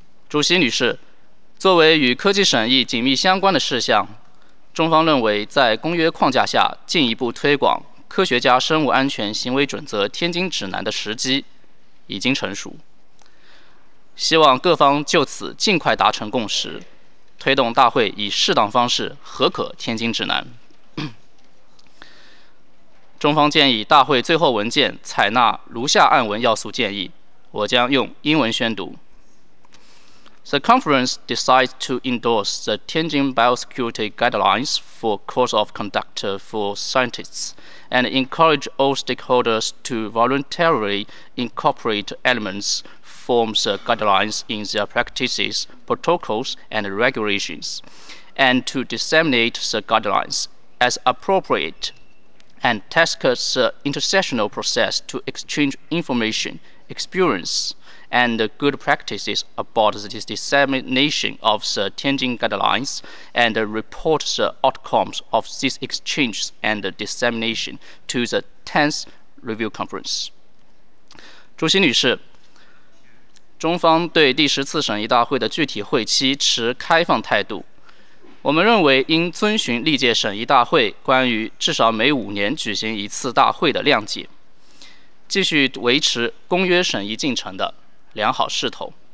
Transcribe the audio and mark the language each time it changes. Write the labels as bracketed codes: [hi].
[zh] 主席女士，作为与科技审议紧密相关的事项，中方认为在公约框架下进一步推广科学家生物安全行为准则天津指南的时机已经成熟，希望各方就此尽快达成共识，推动大会以适当方式核可天津指南。中方建议大会最后文件采纳如下案文要素建议，我将用英文宣读 [en] ：The conference decides to endorse the Tianjin Biosecurity Guidelines for course of conduct for scientists and encourage all stakeholders to voluntarily incorporate elements from the guidelines in their practices, protocols, and regulations, and to disseminate the guidelines as appropriate, and task the international process to exchange information, experience, and good practices about the dissemination of the Tianjin guidelines and report the outcomes of these exchanges and dissemination to the 10th Review Conference。 [zh] 主席女士，中方对第十次审议大会的具体会期持开放态度。我们认为应遵循历届审议大会关于至少每5年举行一次大会的谅解，继续维持公约审议进程的良好势头。